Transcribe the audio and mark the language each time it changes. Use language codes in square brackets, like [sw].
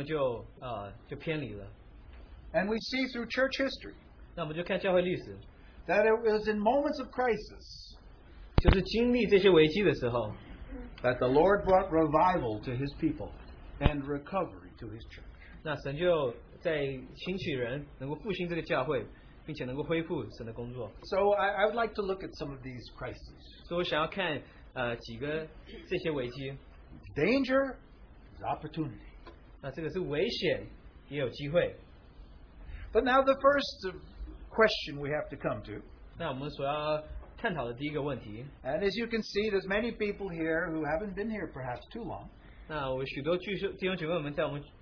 [zh] 那有些他们就继续持守神的道，有些他们就偏离了。And [en] we see through church history, [zh] 那我们就看教会历史, [en] that it was in moments of crisis, [zh] 就是经历这些危机的时候, [en] that the Lord brought revival to His people and recovery to His church. [zh] 那神就在兴起人，能够复兴这个教会。 [en] So I would like to look at some of these crises. [zh] So 我想要看, 几个这些危机。 [en] Danger is opportunity. [zh] 那这个是危险，也有机会。 [en] But now the first question we have to come to. [zh] 那我们所要探讨的第一个问题。 [en] And as you can see, there's many people here who haven't been here perhaps too long. [zh] 那我许多弟兄姐妹们在我们